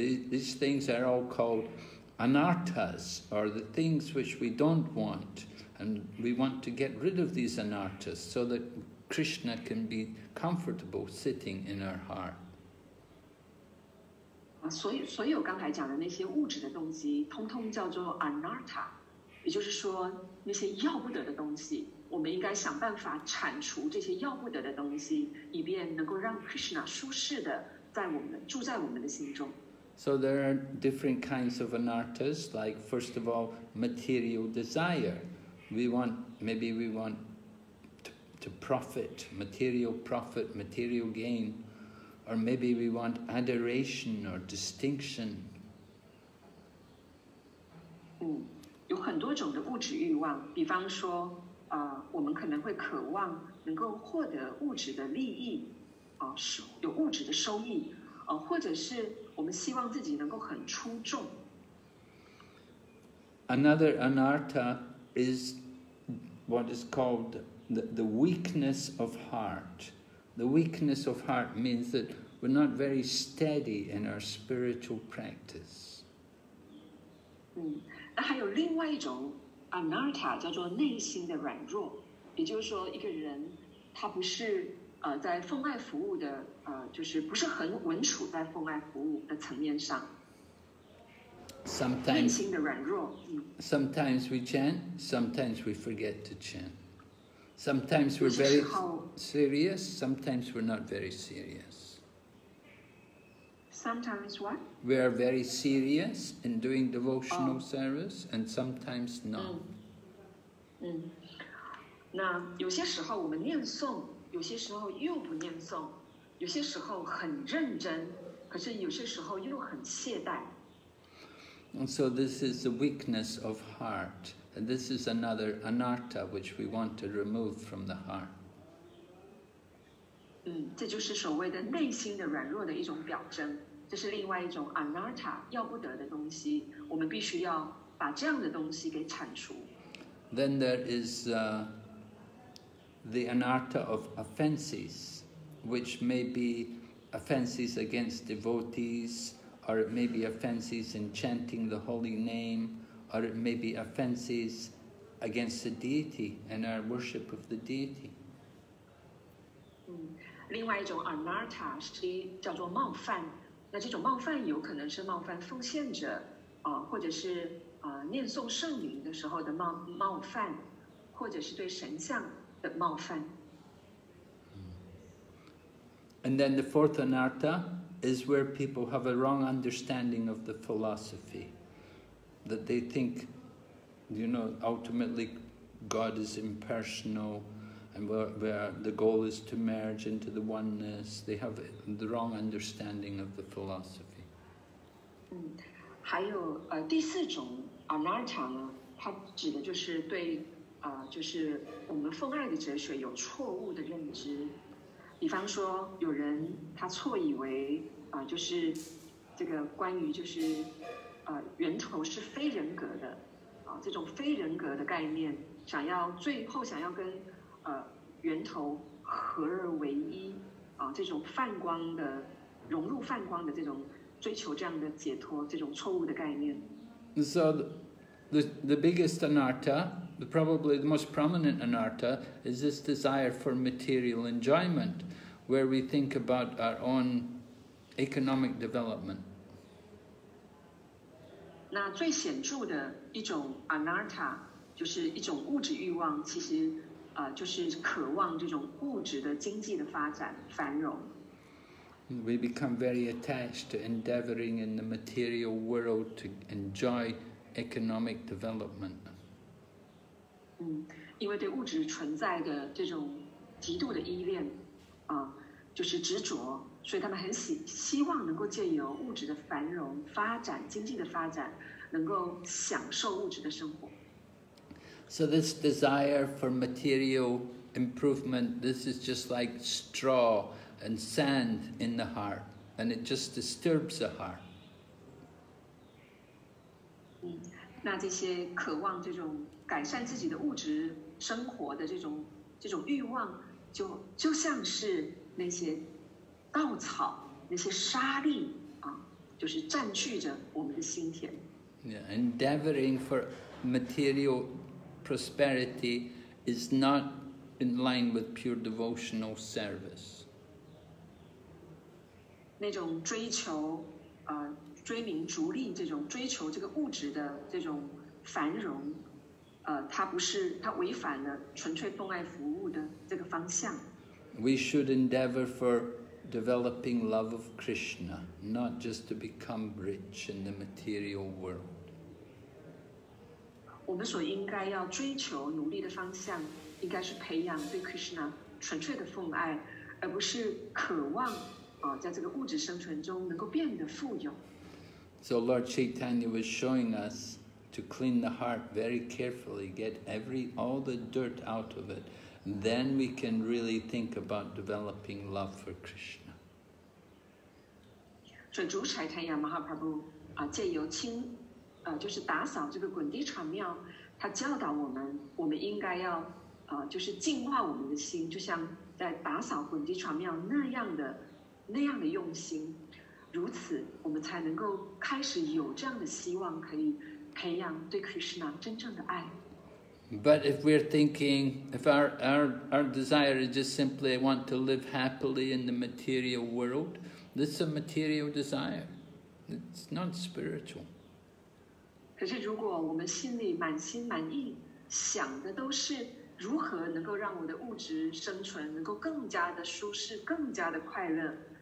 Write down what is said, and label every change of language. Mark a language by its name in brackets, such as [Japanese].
[English] These things are all called anarthas, or the things which we don't want, and we want to get rid of these anarthas so that Krishna can be comfortable sitting in our heart. [Chinese] 所有刚才讲的那些物质的东西，通通叫做 anartha, 也就是说那些要不得的东西，我们应该想办法铲除这些要不得的东西，以便能够让 Krishna 舒适的住在我们的心中。 [English] So there are different kinds of anarthas, like first of all, material desire. We want to profit, material profit, material gain, or maybe we want adoration or distinction. [Chinese] 有很多种的物质欲望，比方说，我们可能会渴望能够获得物质的利益，有物质的收益，或者是我们希望自己能够很出众。 [English] Another anartha is what is called the weakness of heart. The weakness of heart means that we're not very steady in our spiritual practice. [Chinese] 那还有另外一种 anartha 叫做内心的软弱，也就是说一个人他不是在奉爱服务的就是不是很稳处在奉爱服务的层面上。 [English] Sometimes, [Chinese] 内心的软弱。 [English] Sometimes we chant, sometimes we forget to chant. Sometimes we're very serious, sometimes we're not very serious. Sometimes what? We are very serious in doing devotional service and sometimes not. [Chinese] 那有些时候我们念诵，有些时候又不念诵，有些时候很认真，可是有些时候又很懈怠。 [English] And so this is the weakness of heart, and this is another anartha which we want to remove from the heart. [Chinese] 这就是所谓的内心的软弱的一种表征，这是另外一种 anartha 要不得的东西，我们必须要把这样的东西给铲除。 [English] Then there is the anartha of offenses, which may be offenses against devotees, or it may be offenses in chanting the holy name, or it may be offenses against the deity and our worship of the deity. [Chinese] 另外一种 anartha 是叫做冒犯，那这种冒犯有可能是冒犯奉献者，或者是念诵圣名的时候的冒犯，或者是对神像的冒犯。 [English] And then the fourth anartha is where people have a wrong understanding of the philosophy, that they think, you know, ultimately God is impersonal, and where the goal is to merge into the oneness. They have the wrong understanding of the philosophy. [Chinese] 还有第四种 anartha 呢，它指的就是对就是我们奉爱的哲学有错误的认知。比方说有人他错以为就是这个关于就是源头是非人格的这种非人格的概念，想要最后想要跟源头合而为一，这种泛光的融入泛光的这种追求这样的解脱这种错误的概念。 [English] So the biggest anatta, probably the most prominent anatta, is this desire for material enjoyment, where we think about our own economic development. [Chinese] 那最显著的一种 anatta 就是一种物质欲望，其实就是渴望这种物质的经济的发展繁荣。 [English] We become very attached to endeavoring in the material world to enjoy economic development. [Chinese] 因为对物质存在的这种极度的依恋，就是执着，所以他们很希望能够借由物质的繁荣发展、经济的发展，能够享受物质的生活。 [English] So this desire for material improvement, this is just like straw and sand in the heart, and it just disturbs the heart. [Chinese] 那这些渴望这种改善自己的物质生活的这种欲望，就像是那些稻草、那些沙粒啊，就是占据着我们的心田。 [English] Yeah, endeavoring for material prosperity is not in line with pure devotional service. [Chinese] 那种追求，追名逐利，这种追求这个物质的这种繁荣，它不是，它违反了纯粹奉爱服务的这个方向。 [English] We should endeavor for developing love of Krishna, not just to become rich in the material world. [Chinese] 我们所应该要追求努力的方向，应该是培养对 Krishna 纯粹的奉爱，而不是渴望在这个物质生存中能够变得富有。 [English] So Lord Chaitanya was showing us to clean the heart very carefully, get all the dirt out of it. Then we can really think about developing love for Krishna. [Chinese] So Guru Chaitanya Mahaprabhu, 借由清，就是打扫这个滚地禅庙，他教导我们，我们应该要，就是净化我们的心，就像在打扫滚地禅庙那样的用心。如此，我们才能够开始有这样的希望，可以培养对 Krishna 真正的爱。 [English] But if we're thinking, if our desire is just simply I want to live happily in the material world, this is a material desire. It's not spiritual. [Chinese] 可是，如果我们心里满心满意想的都是如何能够让我的物质生存能够更加的舒适、更加的快乐。